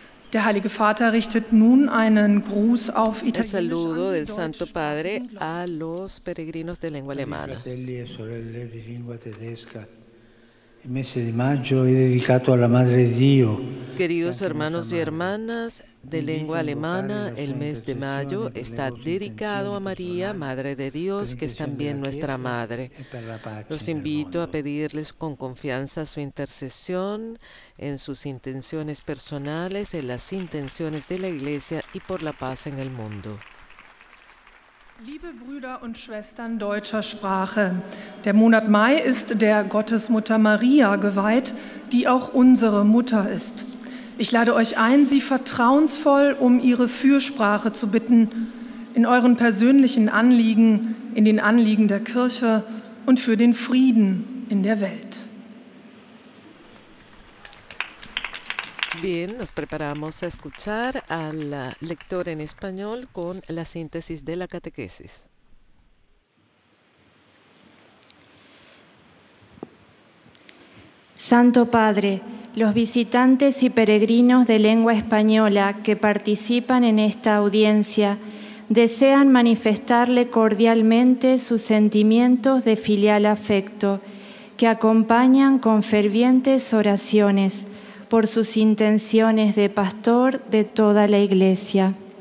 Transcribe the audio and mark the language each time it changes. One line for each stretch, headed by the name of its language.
German: Der Heilige Vater richtet nun einen Gruß auf Italienisch.
Spanish: El saludo del Santo Padre a los peregrinos de lengua alemana.
Italian: Fratelli e sorelle di lingua tedesca, il mese di maggio è dedicato alla Madre di Dio.
Spanish: Queridos hermanos y hermanas de lengua alemana, el mes de mayo está dedicado a María, Madre de Dios, que es también nuestra Madre. Los invito a pedirles con confianza su intercesión en sus intenciones personales, en las intenciones de la Iglesia y por la paz en el mundo.
German: Liebe Brüder und Schwestern deutscher Sprache, der Monat Mai ist der Gottesmutter Maria geweiht, die auch unsere Mutter ist. Ich lade euch ein, sie vertrauensvoll um ihre Fürsprache zu bitten, in euren persönlichen Anliegen, in den Anliegen der Kirche und für den Frieden in der Welt.
Spanish: Bien, nos preparamos a escuchar al lector en español con la síntesis de la catequesis. Santo Padre, los visitantes y peregrinos de lengua española que participan en esta audiencia desean manifestarle cordialmente sus sentimientos de filial afecto que acompañan con fervientes oraciones por sus intenciones de pastor de toda la Iglesia.